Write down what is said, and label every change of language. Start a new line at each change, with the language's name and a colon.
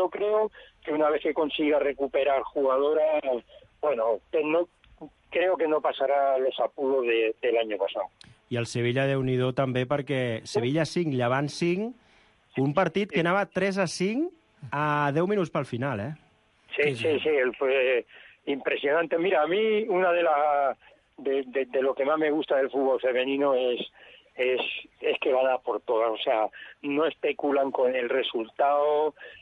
Spanish: Yo creo que una vez que consiga recuperar jugadoras, bueno, no, creo que no pasará los apuros del año pasado.
Catalan: I el Sevilla, déu-n'hi-do, també, perquè Sevilla 5, Llevant 5, un partit que anava 3-5 a 10 minuts pel final, eh?
Spanish: Sí, fue impresionante. Mira, a mí una de lo que más me gusta del fútbol femenino es que van a por todas, o sea, no especulan con el resultado,